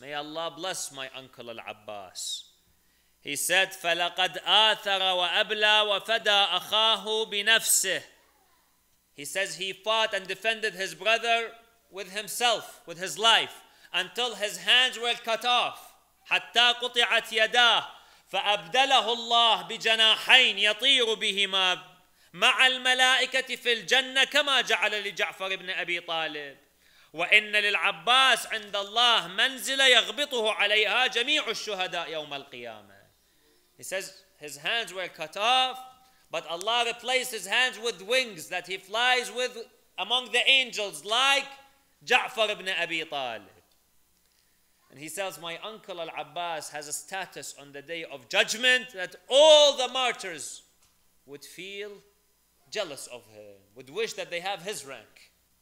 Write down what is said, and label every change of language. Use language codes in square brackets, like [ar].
[en] May Allah bless my uncle al-Abbas. He said, [ar] فَلَقَدْ آثَرَ وَأَبْلَى وَفَدَى أَخَاهُ بِنَفْسِهِ. [en] He says he fought and defended his brother with himself, with his life, until his hands were cut off. [ar] حتى قطعت يداه فأبدله الله بجناحين يطير بهما مع الملائكة في الجنة كما جعل لجعفر بن أبي طالب وإن للعباس عند الله منزل يغبطه عليها جميع الشهداء يوم القيامة. [en] He says his hands were cut off, but Allah replaced his hands with wings that he flies with among the angels like جعفر بن أبي طالب. And he says, my uncle Al-Abbas has a status on the day of judgment that all the martyrs would feel jealous of him, would wish that they have his rank.